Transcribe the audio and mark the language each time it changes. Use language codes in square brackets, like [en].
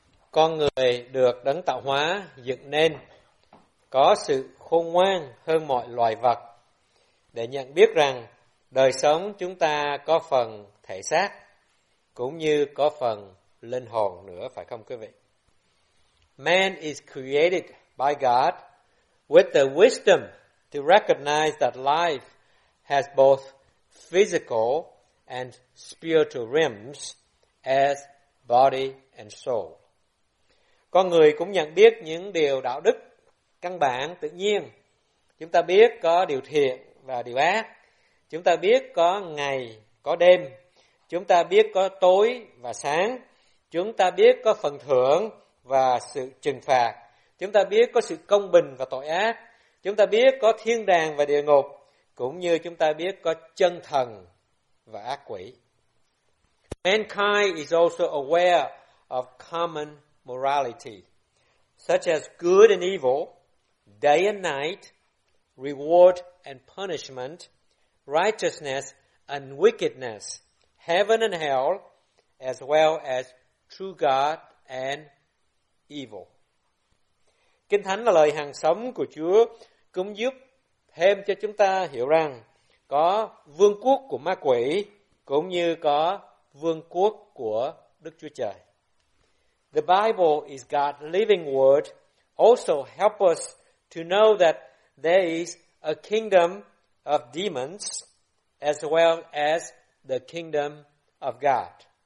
[vi] Con người được đấng tạo hóa dựng nên có sự khôn ngoan hơn mọi loài vật để nhận biết rằng đời sống chúng ta có phần thể xác cũng như có phần linh hồn nữa, phải không quý vị? [en] Man is created by God with the wisdom to recognize that life has both physical and spiritual realms as body and soul. [vi] Con người cũng nhận biết những điều đạo đức căn bản tự nhiên. Chúng ta biết có điều thiện và điều ác. Chúng ta biết có ngày, có đêm. Chúng ta biết có tối và sáng. Chúng ta biết có phần thưởng và sự trừng phạt. Chúng ta biết có sự công bình và tội ác. Chúng ta biết có thiên đàng và địa ngục. Cũng như chúng ta biết có chân thần và ác quỷ. [en] Mankind is also aware of common morality, such as good and evil, day and night, reward and punishment, righteousness and wickedness, heaven and hell, as well as true God and evil. [vi] Kinh Thánh là lời hàng sống của Chúa, cũng giúp thêm cho chúng ta hiểu rằng có vương quốc của ma quỷ, cũng như có vương quốc của Đức Chúa Trời. [en] The Bible is God's living word, also help us to know that there is a kingdom of demons as well as the kingdom of God.